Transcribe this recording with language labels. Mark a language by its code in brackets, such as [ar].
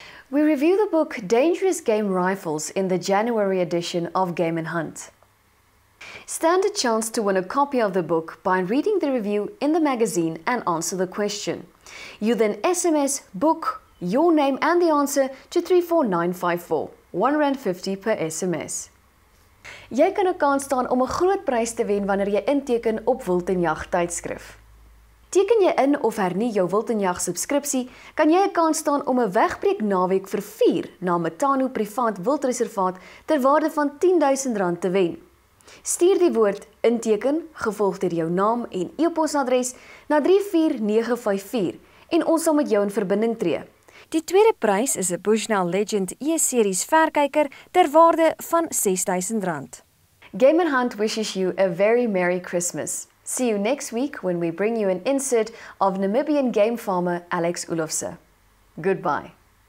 [en] We review the book Dangerous Game Rifles in the January edition of Game and Hunt. Stand a chance to win a copy of the book by reading the review in the magazine and answer the question. You then SMS book, your name and the answer to 34954, R1.50 per SMS. [af] Jy kan 'n kans staan om 'n groot prys te wen wanneer jy inteken op Wild en Jag tydskrif. Teken jy in of hernie jou Wild en Jag subskripsie, kan jy 'n kans staan om 'n wegbreek naweek vir 4 na Matano Privaat Wildreservaat ter waarde van R10.000 te wen. Stuur die woord inteken, gevolg deur jou naam en e-posadres na 34954 en ons sal met jou in verbinding tree. Die tweede prijs is een Bushnell Legend E-series verkyker ter waarde van R6000. [en] Game & Hunt wishes you a very Merry Christmas. See you next week when we bring you an insert of Namibian game farmer Alex Olofse. Goodbye.